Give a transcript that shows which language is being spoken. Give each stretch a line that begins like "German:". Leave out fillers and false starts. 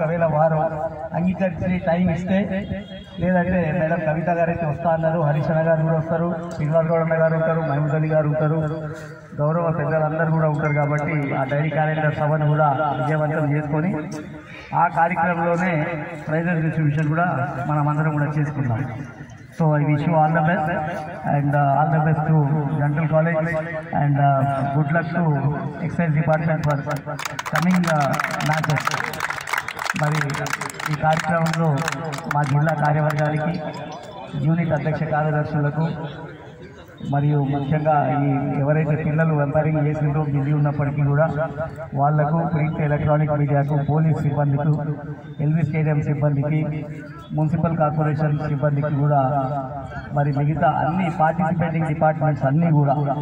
Telugu: ఒకవేళ వారు అంగీకరించి టైం ఇస్తే, లేదంటే మేడం కవిత గారు అయితే వస్తా అన్నారు, హరిశణ గారు కూడా వస్తారు, శ్రీనివాస్ గౌడ గారు ఉంటారు, మహిమదలి గారు ఉంటారు, గౌరవ పెద్దలందరూ కూడా ఉంటారు కాబట్టి ఆ డైరీ క్యాలెండర్ సభను కూడా విజయవంతం చేసుకొని ఆ కార్యక్రమంలోనే ప్రైజెస్ డిస్ట్రిబ్యూషన్ కూడా మనమందరం కూడా చేసుకుందాం.
English: So I wish you all the best and all the best to Dental College and good luck to Excise Department for coming matches.
Telugu: మరి ఈ కార్యక్రమంలో మా జిల్లా కార్యవర్గానికి, యూనిట్ అధ్యక్ష కార్యదర్శులకు, మరియు ముఖ్యంగా ఈ ఎవరైతే పిల్లలు ఎంపైరింగ్ చేసిందో బిజీ ఉన్నప్పటికీ కూడా వాళ్లకు ప్రింట్ ఎలక్ట్రానిక్ మీడియాకు పోలీస్ సిబ్బందికి ఎల్వి స్టేడియం సిబ్బందికి మున్సిపల్ కార్పొరేషన్ సిబ్బందికి కూడా మరి మిగతా అన్ని పార్టిసిపేటింగ్ డిపార్ట్మెంట్స్ అన్నీ కూడా